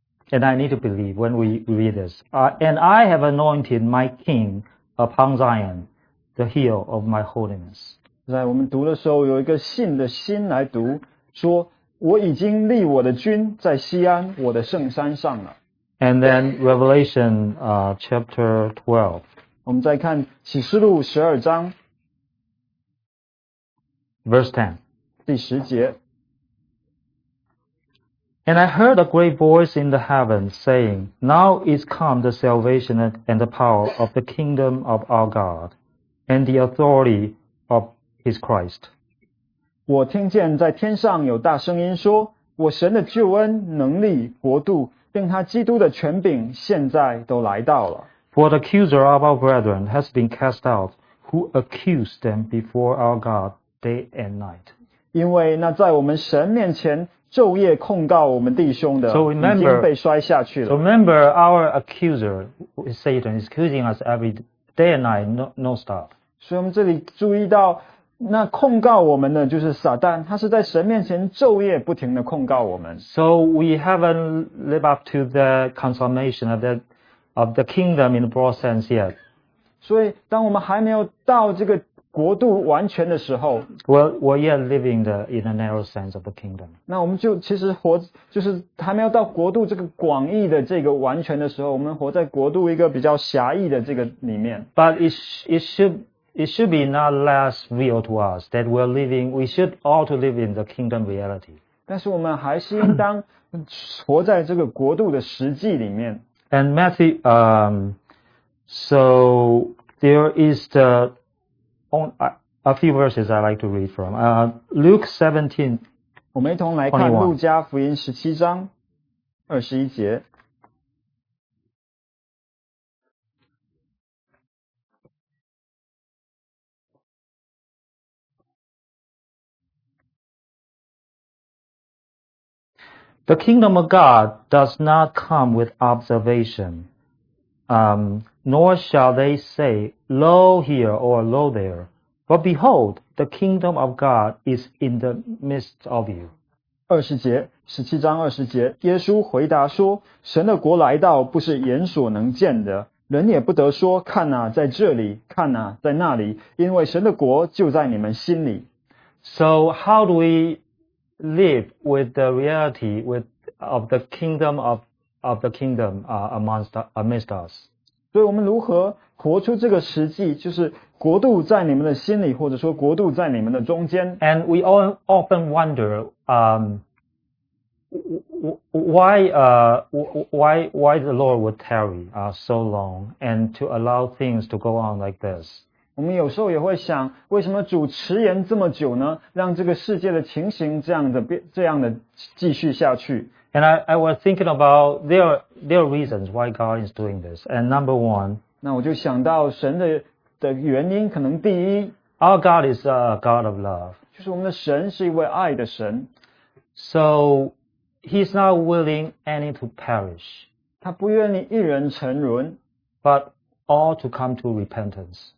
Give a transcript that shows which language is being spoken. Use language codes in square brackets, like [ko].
[en] And I need to believe when we read this. And I have anointed my king upon Zion, the hill of my holiness. [zh] 在我们读的时候有一个信的心来读说我已经立我的君在锡安我的圣山上了 [en] And then Revelation chapter 12 [zh] 我们再看启示录十二章 [en] Verse 10 [zh] 第十节 [en] And I heard a great voice in the heavens saying, Now is come the salvation and the power of the kingdom of our God and the authority of his Christ. [zh] 我听见在天上有大声音说我神的救恩能力国度并他基督的权柄现在都来到了 [en] For the accuser of our brethren has been cast out, who accused them before our God day and night. [zh] 因为那在我们神面前昼夜控告我们弟兄的已经被摔下去了。 [en] So remember, our accuser, Satan, is accusing us every day and night, no stop. [zh] 所以我们这里注意到那控告我们的就是撒旦他是在神面前昼夜不停地控告我们。 [en] So we haven't lived up to the consummation of that of the kingdom in the broad sense yet. [zh] 所以当我们还没有到这个国度完全的时候 [en] Well, we're yet living in a narrow sense of the kingdom. [zh] 那我们就其实活就是还没有到国度这个广义的这个完全的时候我们活在国度一个比较狭义的这个里面。 [en] But it should be not less real to us that we should all to live in the kingdom reality. [zh] 但是我们还是应当活在这个国度的实际里面。 [en] And Matthew, so there is the, a few verses I'd like to read from. Luke 17, [zh] 我们一同来看路加福音十七章二十一节。 [en] The kingdom of God does not come with observation, nor shall they say, Lo here or Lo there. But behold, the kingdom of God is in the midst of you. [zh] 二十节，十七章二十节，耶稣回答说，神的国来到不是眼所能见的，人也不得说，看啊，在这里，看啊，在那里，因为神的国就在你们心里。 [en] So how do we... live with the reality of the kingdom of the kingdom amongst us. [zh] 所以我们如何活出这个实际就是国度在你们的心里或者说国度在你们的中间。 [en] And we all often wonder, why the Lord would tarry, so long and to allow things to go on like this. [zh] 我们有时候也会想为什么主迟延这么久呢让这个世界的情形这样的继续下去。 [en] And I was thinking about there are reasons why God is doing this. And number one, [zh] 那我就想到神 的原因可能第一 [en] Our God is a God of love. [zh] 就是我们的神是一位爱的神。 [en] So, He's not willing any to perish. [zh] 他不愿意一人沉沦。 [en] ButAll to come to repentance.